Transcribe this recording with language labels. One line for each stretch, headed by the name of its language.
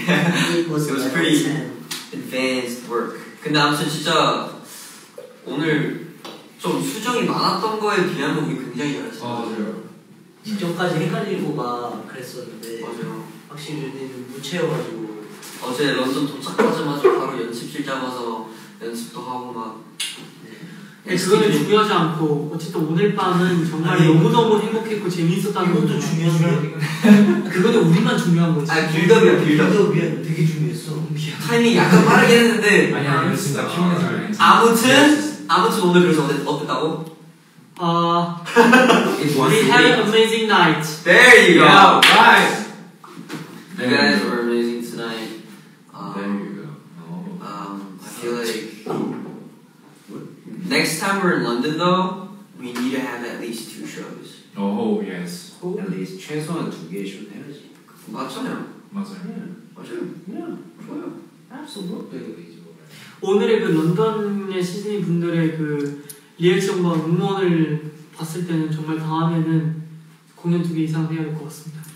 English: It was pretty advanced work.
Korean: 근데 아무튼 진짜 오늘 좀 수정이 많았던 거에 비하면 우리 굉장히 잘했어요. 직전까지 헷갈리고 막 그랬었는데 맞아요. 확실히 우리는 무채여가지고 어제 런던 도착하자마자 바로 연습실 잡아서 연습도 하고 막 그거는 중요하지 않고 어쨌든 오늘 밤은 정말 너무너무 행복했고 재미있었다는 것도 중요한데 그거는 우리만 중요한 거지. 아 빌드업이야 빌드업이야 되게 중요했어. 타이밍 약간 빠르게 했는데 아니야 진짜 피곤해서 아무튼 오늘 그래서 어땠다고?
English: We had an amazing night. There you go. Yeah, right. You guys were amazing tonight. There you go. I feel like next time we're in London, though, we need to have at least 2 shows. Oh, yes. Cool. At least
Korean: 최소한 두 개의 쇼 해야지. 맞잖아요. 맞아요. 맞아요.
English: Yeah. 좋아요. Absolutely.
Korean: 오늘의 그 런던의 시즌이 분들의 그 리액션과 응원을 봤을 때는 정말 다음에는 공연 두 개 이상 해야 될 것 같습니다.